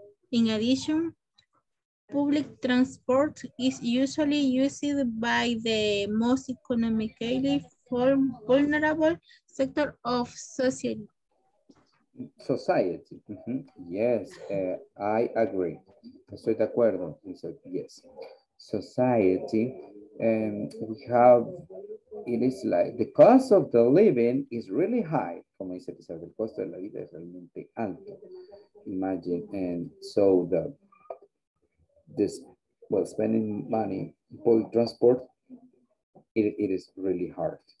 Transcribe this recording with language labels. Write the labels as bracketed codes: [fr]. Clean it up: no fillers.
[en] In addition, public transport is usually used by the most economically vulnerable sector of society. Mm-hmm. Yes, I agree. [es] Estoy de acuerdo. [en] Yes. Society, we have, it is like the cost of the living is really high. [es] Como dice Elizabeth, el costo de la vida es realmente alto. [en] Imagine, and so spending money, public transport, it is really hard.